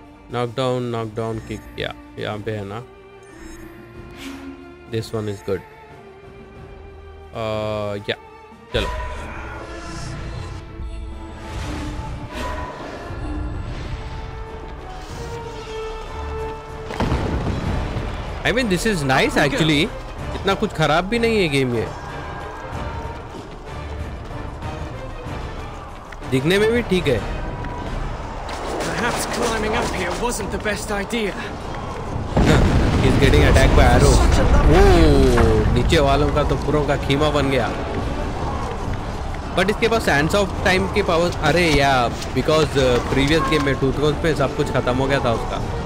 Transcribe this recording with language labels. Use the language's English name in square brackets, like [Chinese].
[English] Knockdown, knockdown, kick, yeah, [Hindi] यहाँ पे है ना, [English] this one is good. Yeah, चलो I mean this is nice actually. [Hindi] इतना कुछ खराब भी नहीं है गेम ये, दिखने में भी ठीक है। [English] Perhaps climbing up here wasn't the best idea. He's getting attacked by arrow. [Hindi] Ooh, नीचे वालों का तो पुरों का खीमा बन गया। But इसके पास sands of time के powers, अरे yeah, because previous game में टूथकोंस पे सब कुछ खत्म हो गया था उसका।